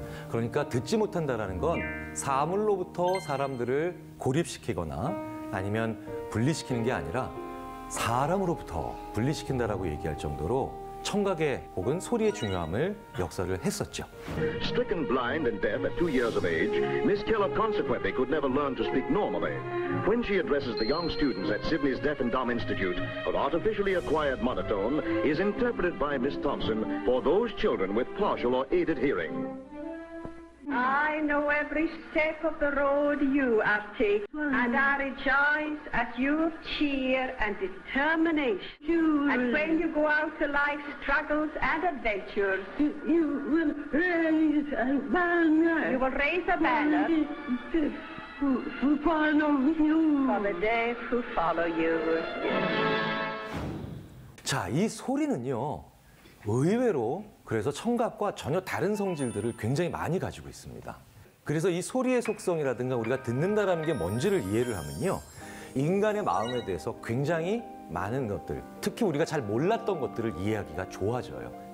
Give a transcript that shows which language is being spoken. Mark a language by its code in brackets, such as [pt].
[ko] 그러니까 듣지 못한다는 건 사물로부터 사람들을 고립시키거나 아니면 분리시키는 게 아니라 사람으로부터 분리시킨다라고 얘기할 정도로 청각의 혹은 소리의 중요함을 역설을 했었죠. [en] Stricken blind and deaf at 2 years of age, Miss Keller consequently could never learn to speak normally. When she addresses the young students at Sydney's Deaf and Dumb Institute, her artificially acquired monotone is interpreted by Miss Thompson for those children with partial or aided hearing. I know every step of the road you have taken, and I rejoice at your cheer and determination. You and when you go out to life's struggles and adventures, you will raise a banner. You will raise a banner who follows you. For the deaf who follow you. [ko] 자, 이 소리는요, 의외로 그래서 청각과 전혀 다른 성질들을 굉장히 많이 가지고 있습니다. 그래서 이 소리의 속성이라든가 우리가 듣는다라는 게 뭔지를 이해를 하면요. 인간의 마음에 대해서 굉장히 많은 것들, 특히 우리가 잘 몰랐던 것들을 이해하기가 좋아져요.